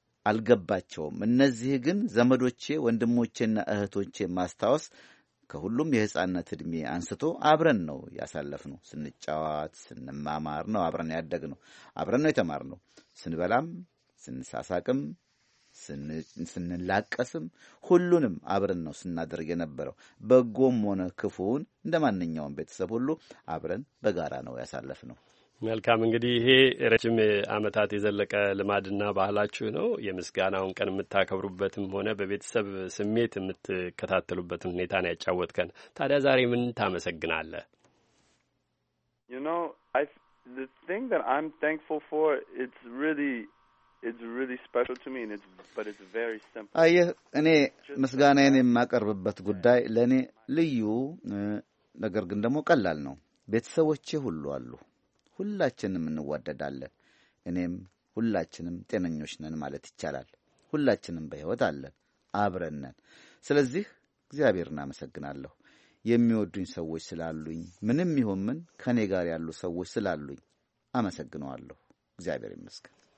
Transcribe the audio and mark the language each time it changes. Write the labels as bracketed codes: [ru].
[am] አልገባቸውም። እነዚህ ግን ዘመዶቼ፣ ወንድሞቼና እህቶቼ ማስታወስ ከሁሉም የህፃነት እድሜ አንስቶ አብረን ነው ያሳለፍነው። ስንጫወት ስንማማር ነው አብረን ያደግነው፣ አብረን ነው የተማርነው። ስንበላም ስንሳሳቅም ስንላቀስም ሁሉንም አብረን ነው ስናደርግ የነበረው። በጎም ሆነ ክፉውን እንደ ማንኛውም ቤተሰብ ሁሉ አብረን በጋራ ነው ያሳለፍነው። መልካም። እንግዲህ ይሄ ረጅም ዓመታት የዘለቀ ልማድና ባህላችሁ ነው። የምስጋናውን ቀን የምታከብሩበትም ሆነ በቤተሰብ ስሜት የምትከታተሉበትን ሁኔታ ነው ያጫወትከን። ታዲያ ዛሬ ምን ታመሰግናለህ? [en] You know, the thing that I'm thankful for, it's really special to me and it's very simple. [am] አየህ፣ እኔ ምስጋናዬን የማቀርብበት ጉዳይ ለእኔ ልዩ ነገር ግን ደግሞ ቀላል ነው። ቤተሰቦቼ ሁሉ አሉ። ሁላችንም እንዋደዳለን። እኔም ሁላችንም ጤነኞች ነን ማለት ይቻላል። ሁላችንም በሕይወት አለን፣ አብረን ነን። ስለዚህ እግዚአብሔርን አመሰግናለሁ። የሚወዱኝ ሰዎች ስላሉኝ፣ ምንም ይሁን ምን ከእኔ ጋር ያሉ ሰዎች ስላሉኝ አመሰግነዋለሁ። እግዚአብሔር ይመስገን።